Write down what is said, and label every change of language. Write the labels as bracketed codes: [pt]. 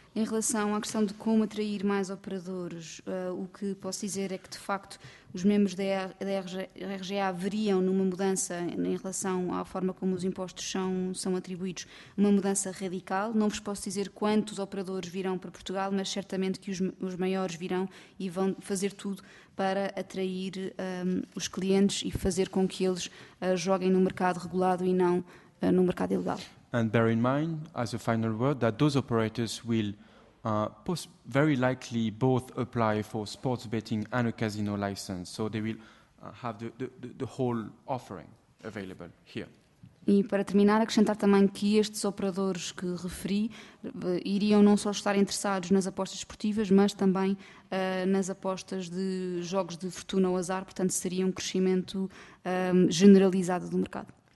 [pt] Em relação à questão de como atrair mais operadores, o que posso dizer é que, de facto, os membros da RGA veriam numa mudança em relação à forma como os impostos são atribuídos, uma mudança radical. Não vos posso dizer quantos operadores virão para Portugal, mas certamente que os maiores virão e vão fazer tudo para atrair os clientes e fazer com que eles joguem no mercado regulado e não no mercado ilegal. [en] And bear in mind, as a final word, that those operators will very likely both apply for sports betting and a casino license. So they will have the whole offering available here. [pt] E para terminar, acrescentar também que estes operadores que referi iriam não só estar interessados nas apostas esportivas, mas também nas apostas de jogos de fortuna ou azar. Portanto, seria um crescimento generalizado do mercado.